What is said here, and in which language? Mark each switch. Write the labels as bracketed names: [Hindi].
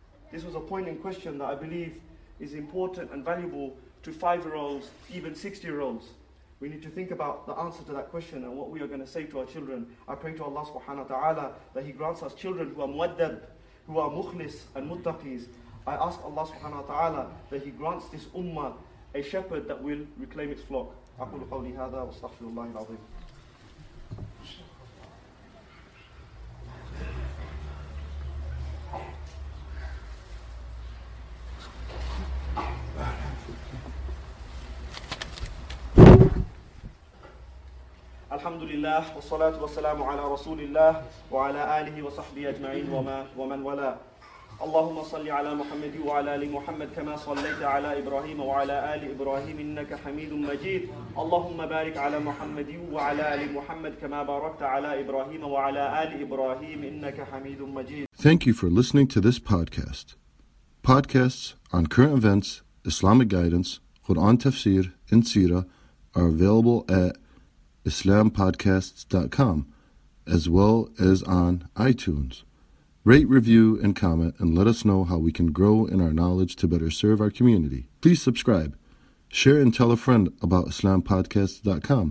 [English] This was a poignant question that I believe is important and valuable to five-year-olds, even 60-year-olds. We need to think about the answer to that question and what we are going to say to our children. I pray to Allah subhanahu wa ta'ala that He grants us children who are muaddab, who are mukhlis and muttaqis. I ask Allah subhanahu wa ta'ala that He grants this ummah a shepherd that will reclaim its flock. [Arabic] أقول قولي هذا واستغفر الله العظيم. الحمد لله والصلاة والسلام على رسول الله وعلى آله وصحبه أجمعين ومن ولا. اللهم صل على محمد وعلى آل محمد كما صليت على إبراهيم وعلى آل إبراهيم إنك حميد مجيد اللهم بارك على محمد وعلى آل محمد كما باركت على إبراهيم وعلى آل إبراهيم إنك حميد مجيد. [English] Thank you for listening to this podcast. Podcasts on current events, Islamic guidance, Quran tafsir, and Sirah are available at islampodcasts.com as well as on iTunes. Rate, review, and comment, and let us know how we can grow in our knowledge to better serve our community. Please subscribe, share, and tell a friend about IslamPodcasts.com.